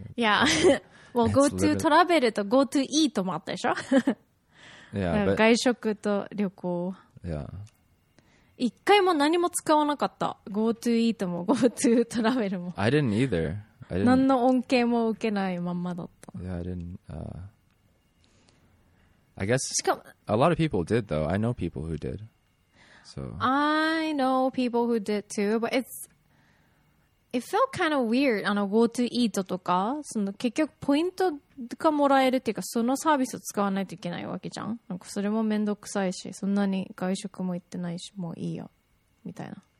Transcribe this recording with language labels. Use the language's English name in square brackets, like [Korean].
[English] Yeah, well, [Japanese] GoTo travel と GoTo eat もあったでしょ。 [English] Yeah, [Japanese] 外食と旅行。 [English] Yeah. [Japanese] 一回も何も使わなかった。 Go to eat も Go to travel も。 [English] I didn't either. [Japanese] 何の恩恵も受けないまんまだった。 [English] Yeah, I didn't. I guess a lot of people did though. I know people who did. So I know people who did too, but it felt kind of weird. [Japanese] あの Go to eat とかその結局ポイントがもらえるっていうかそのサービスを使わないといけないわけじゃん。なんかそれもめんどくさいしそんなに外食も行ってないしもういいよみたいな。